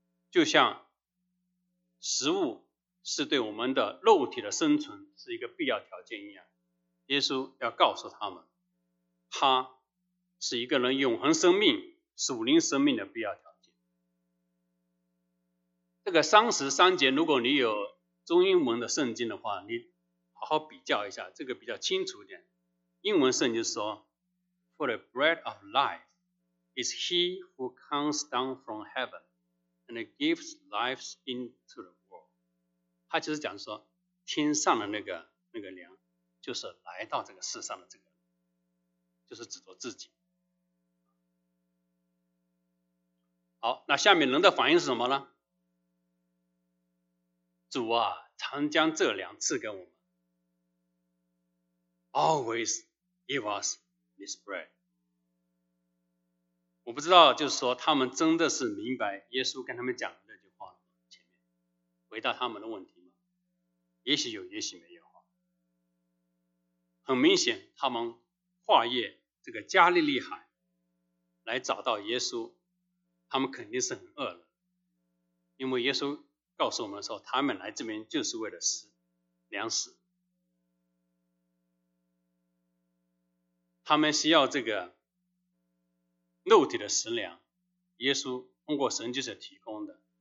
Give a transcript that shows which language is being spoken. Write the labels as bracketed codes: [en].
[zh] 就像食物是对我们的肉体的生存是一个必要条件一样，耶稣要告诉他们，他是一个人永恒生命属灵生命的必要条件。这个33节，如果你有中英文的圣经的话，你好好比较一下，这个比较清楚一点。英文圣经说 [en] For the bread of life is he who comes down from heaven and gives life into the world. [zh] 他就是讲说天上的那个粮就是来到这个世上的这个，就是指着自己。好，那下面人的反应是什么呢？主啊，常将这粮赐给我们。 [en] Always give us this bread. [zh] 我不知道，就是说他们真的是明白耶稣跟他们讲的那句话前面回答他们的问题吗？也许有，也许没有。很明显他们跨越这个加利利海来找到耶稣，他们肯定是很饿了，因为耶稣告诉我们说他们来这边就是为了食粮食，他们需要这个肉体的食粮，耶稣通过神迹所提供的。